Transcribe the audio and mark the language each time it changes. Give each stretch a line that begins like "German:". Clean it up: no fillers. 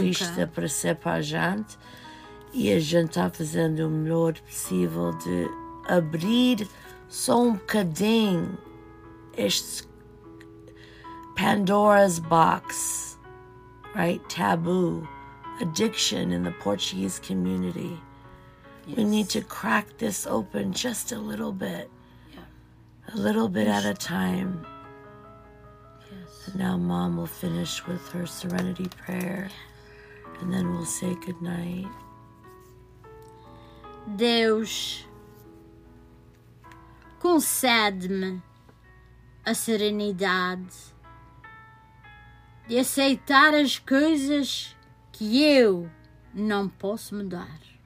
Portuguese: Que isto apareceu para a gente. E a gente está fazendo o melhor possível de abrir só um bocadinho este
English: Pandora's Box, right? Taboo, addiction in the Portuguese community. Yes. We need to crack this open just a little bit. Yeah. A little bit at a time. Yes. And now Mom will finish with her Serenity Prayer. Yeah. And then we'll say goodnight.
Portuguese: Deus, concede-me a serenidade de aceitar as coisas que eu não posso mudar.